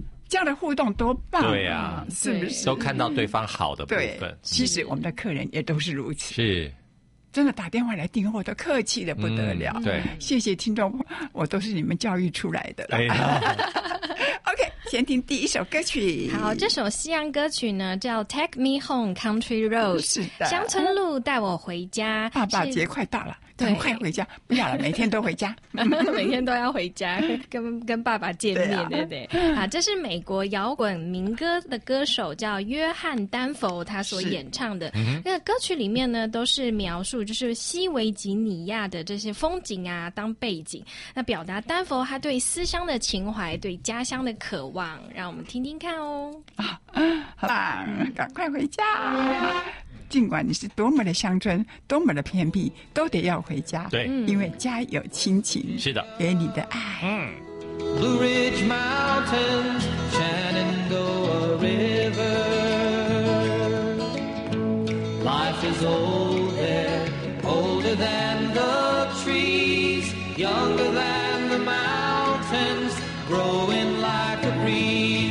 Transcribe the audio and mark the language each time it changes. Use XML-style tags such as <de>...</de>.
<zh>这样的互动多棒啊，对啊，是不是都看到对方好的部分，对，其实我们的客人也都是如此，是真的打电话来订货都客气的不得了，对，谢谢听众，我都是你们教育出来的，哎呀OK 先听第一首歌曲，好，这首西洋歌曲呢叫 Take Me Home Country Road，是的，乡村路带我回家，爸爸节快到了，很快回家，不要了，每天都回家，每天都要回家，跟爸爸见面，对、啊、对啊，这是美国摇滚民歌的歌手叫约翰丹佛，他所演唱的。那歌曲里面呢，都是描述就是西维吉尼亚的这些风景啊当背景，那表达丹佛他对思乡的情怀，对家乡的渴望，让我们听听看哦。好棒，赶快回家。尽管你是多么的乡村，多么的偏僻，都得要回家。对，因为家有亲情，是的，给你的爱。</zh> <en>Blue Ridge Mountains, Shenandoah River, life is old there, older than the trees, younger than the mountains, growing like a breeze.</en>